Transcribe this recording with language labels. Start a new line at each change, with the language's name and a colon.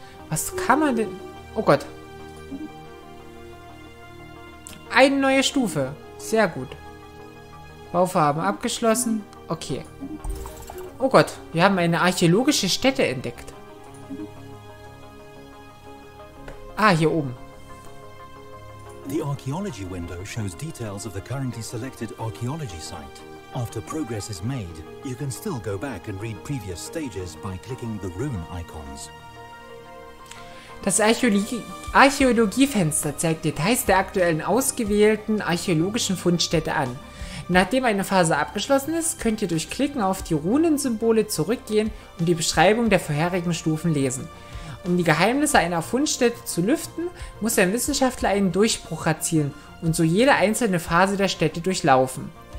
German: Was kann man denn... Oh Gott. Eine neue Stufe. Sehr gut. Bauvorhaben abgeschlossen. Okay. Oh Gott, wir haben eine archäologische Stätte entdeckt. Ah, hier oben.
English: The archaeology window shows details of the currently selected archaeology site. After progress is made, you can still go back and read previous stages by clicking the rune icons.
German: Das Archäologiefenster zeigt Details der aktuellen ausgewählten archäologischen Fundstätte an. Nachdem eine Phase abgeschlossen ist, könnt ihr durch Klicken auf die Runensymbole zurückgehen und die Beschreibung der vorherigen Stufen lesen. Um die Geheimnisse einer Fundstätte zu lüften, muss ein Wissenschaftler einen Durchbruch erzielen und so jede einzelne Phase der Stätte durchlaufen.